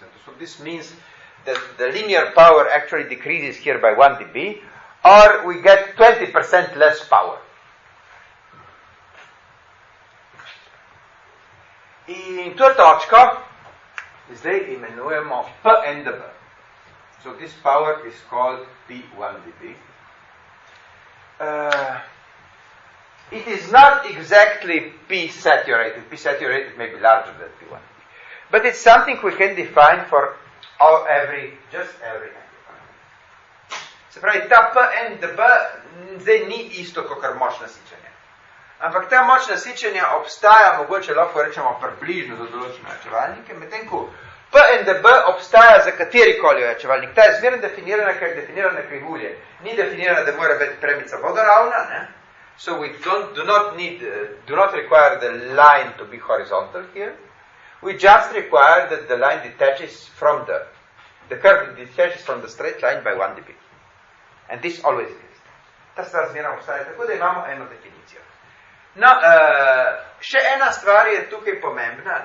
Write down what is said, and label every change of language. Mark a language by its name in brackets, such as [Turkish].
[English] So this means that the linear power actually decreases here by 1 dB, or we get 20% less power. [Slovenian] In to točko zdaj imenujemo PNDB. [English] So this power is called P1dB. It is not exactly P-saturated. P-saturated may be larger than P1dB. But it's something we can define for every amplifier. [Slovenian] Se pravi, ta PNDB zdaj ni isto kakor moč nasičenja. Ampak ta moč nasičenja obstaja, mogoče lahko rečemo, približno za določene ojačevalnike, medtem ko PNDB obstaja za katerikoli ojačevalnik. Ta je zmerno definirana, ker je definirana krivulje. Ni definirana, da mora biti premica vodoravna, ne? [English] So we do not require the line to be horizontal here. We just require that the line detaches from the curve detaches from the straight line by 1 dB. And this always is. [Slovenian] Ta stvar zmerno obstaja, tako da imamo eno definicijo. No, še ena stvar je tukaj pomembna.